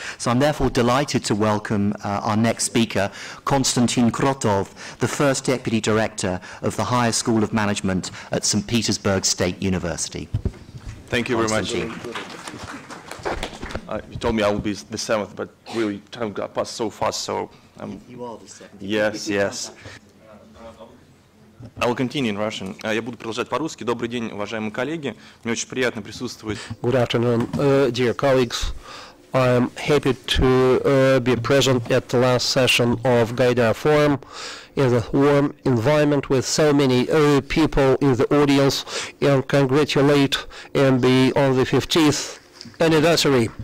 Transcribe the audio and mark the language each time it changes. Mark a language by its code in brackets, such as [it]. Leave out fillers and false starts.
[en] So I'm therefore delighted to welcome our next speaker, Konstantin Krotov, the first deputy director of the Higher School of Management at St. Petersburg State University. Thank you very much. You told me I would be the seventh, but really time got passed so fast, so. [ru] Я буду продолжать по-русски. Добрый день, уважаемые коллеги. Мне очень приятно присутствовать. [en] Good afternoon, dear colleagues. I am happy to be present at the last session of Gaidar Forum in a warm environment with so many people in the audience and congratulate MBE on the 50th anniversary.